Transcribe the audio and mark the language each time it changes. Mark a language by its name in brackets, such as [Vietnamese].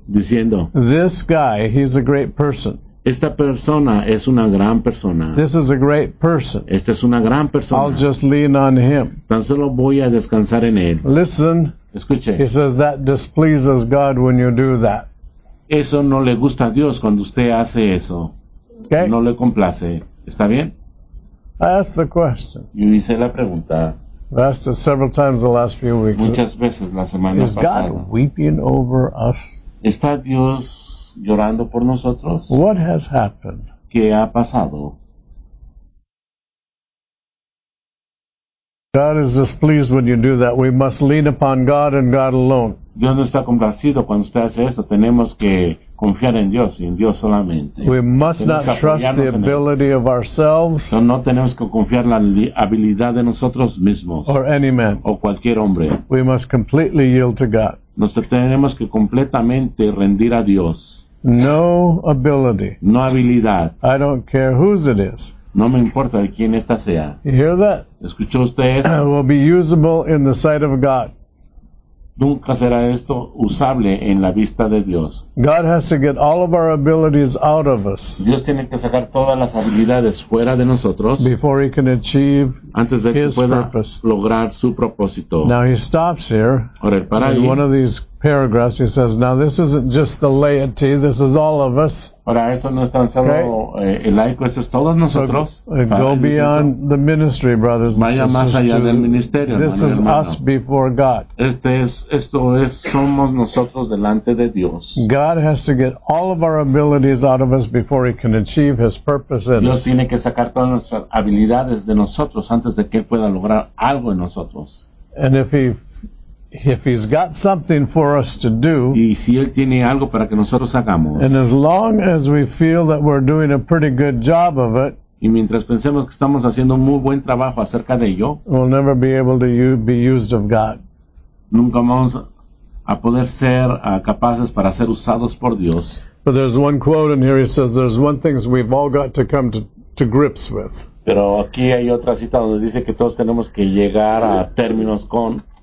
[Spanish] diciendo, [English] this guy, he's a great person. [Spanish] Esta persona es una gran persona. [English] This is a great person. [Spanish] Esta es una gran persona. [English] I'll just lean on him. [Spanish] Tan solo voy a descansar en él. [English] Listen. [Spanish] Escuche. [English] He says that displeases God when you do that. [Spanish] Eso no le gusta a Dios cuando usted hace eso. [English] Okay. [Spanish] No le complace. ¿Está bien? [English] I asked the question. [Spanish] Yo hice la pregunta. [English] I asked it several times the last few weeks. [Spanish] Muchas veces la semana [English] is [Spanish] pasada. [English] Is God weeping over us? [Spanish] ¿Está Dios llorando por nosotros? [English] What has happened? [Spanish] ¿Qué ha pasado? [English] God is displeased when you do that. We must lean upon God and God alone. [Spanish] Dios no está complacido cuando usted hace esto. Tenemos que confiar en Dios y en Dios solamente. [English] We must not trust the ability of ourselves. [Spanish] No tenemos que confiar la habilidad de nosotros mismos. [English] Or any man. [Spanish] O cualquier hombre. [English] We must completely yield to God. [Spanish] Nos tenemos que completamente rendir a Dios. [English] No ability. [Spanish] No habilidad. [English] I don't care whose it is. [Spanish] No me importa de quién esta sea. [English] You hear that? [Spanish] ¿Escuchó usted eso? [English] Will be usable in the sight of God. [Spanish] Nunca será esto usable en la vista de Dios. [English] God has to get all of our abilities out of us. [Spanish] Dios tiene que sacar todas las habilidades fuera de nosotros. [English] Before he can achieve [Spanish] antes de que [English] his [Spanish] pueda [English] purpose. [Spanish] Lograr su propósito. [English] Now he stops here. [Spanish] Ahora, para [English] in [Spanish] ahí. [English] One of these paragraphs he says, now this isn't just the laity, this is all of us. [Spanish] Ahora, esto no es tan solo, okay. El laico, esto es todos nosotros. [English] So, go beyond eso. The ministry, brothers. [Spanish] Vaya más allá del ministerio. [English] This is [Spanish] hermano. [English] Us before God. [Spanish] Esto es, somos nosotros delante de Dios. [English] God has to get all of our abilities out of us before he can achieve his purpose in [Spanish] Dios Dios tiene que sacar todas nuestras habilidades de nosotros antes de que él pueda lograr algo en nosotros. [English] And if he's got something for us to do, [Spanish] y si él tiene algo para que nosotros hagamos, [English] and as long as we feel that we're doing a pretty good job of it, [Spanish] y mientras pensemos que estamos haciendo un muy buen trabajo acerca de ello, [English] we'll never be able to be used of God. [Spanish] Nunca vamos a poder ser capaces para ser usados por Dios. [English] But there's one quote in here, he says, there's one thing we've all got to come to grips with. [Spanish] Pero aquí hay otra cita donde dice que todos tenemos que llegar a términos con.